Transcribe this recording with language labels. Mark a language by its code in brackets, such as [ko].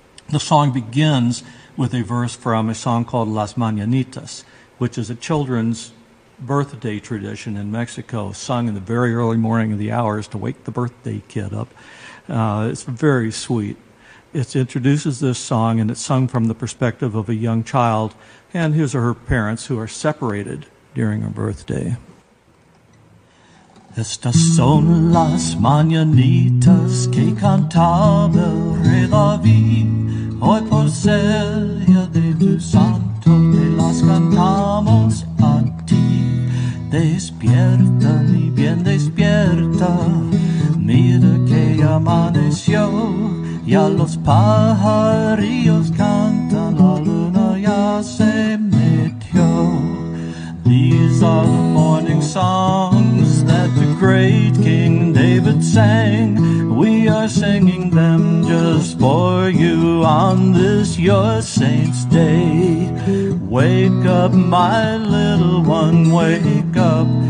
[en] The song begins with a verse from a song called Las Mañanitas, which is a children's birthday tradition in Mexico, sung in the very early morning of the hours to wake the birthday kid up. It's very sweet. It introduces this song, and it's sung from the perspective of a young child and his or her parents who are separated during her birthday. [es] Estas son las mañanitas que cantaba el rey David. Hoy por ser día de tu santo te las cantamos a ti. Despierta, mi bien despierta. Mira que amaneció. Ya los pajarillos cantan, la luna ya se metió. [en] These are the morning songs that the great King David sang. We are singing them just for you on this your saint's day. Wake up, my little one, wake up.